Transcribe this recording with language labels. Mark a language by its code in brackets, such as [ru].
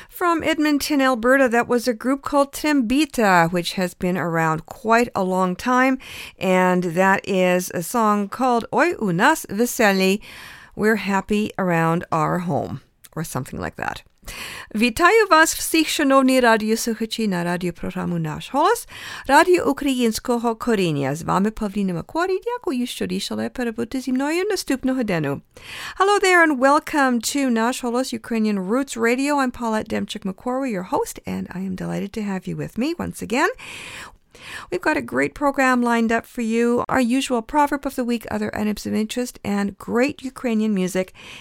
[en] From Edmonton, Alberta, that was a group called Trembita, which has been around quite a long time, and that is a song called Oi Unas Veseli, We're Happy Around Our Home, or something like that. [uk] Вітаю вас всіх, шановні радіослухачі, на радіопрограму «Наш голос» Радіо Українського коріння. З вами Павліна Макуарі. Дякую, що рішили перебути зі мною наступного дню. [en] Hello there and welcome to «Наш голос» Ukrainian Roots Radio. I'm Paulette Demchuk-Makori, your host, and I am delighted to have you with me once again. We've got a great program lined up for you, our usual proverb of the week, other items of interest, and great Ukrainian music.